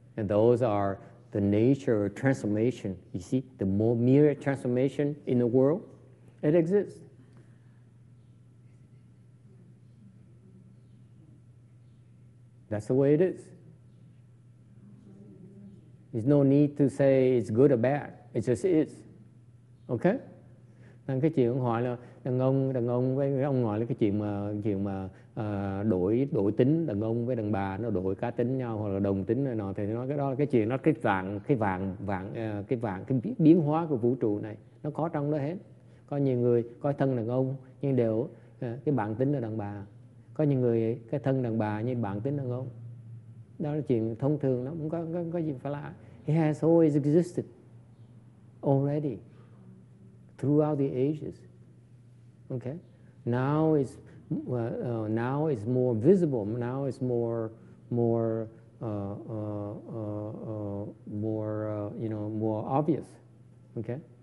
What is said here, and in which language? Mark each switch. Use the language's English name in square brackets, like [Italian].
[English] And those are the nature of transformation. You see, the more mirror transformation in the world, it exists. That's the way it is. There's no need to say it's good or bad. It just is. Okay? [Vietnamese] Nên cái chuyện ông hỏi là đàn ông với ông hỏi là cái chuyện mà đổi tính đàn ông với đàn bà, nó đổi cá tính nhau hoặc là đồng tính này nọ, thì nói cái đó là cái chuyện nó cái vạn cái biến hóa của vũ trụ này, nó có trong đó hết. Có nhiều người có thân đàn ông nhưng đều cái bản tính là đàn bà, có nhiều người cái thân đàn bà nhưng bản tính đàn ông. Đó là chuyện thông thường, nó không có gì phải lạ. [English] It has always existed already throughout the ages. Okay? Now it's more visible. Now it's more obvious. Okay?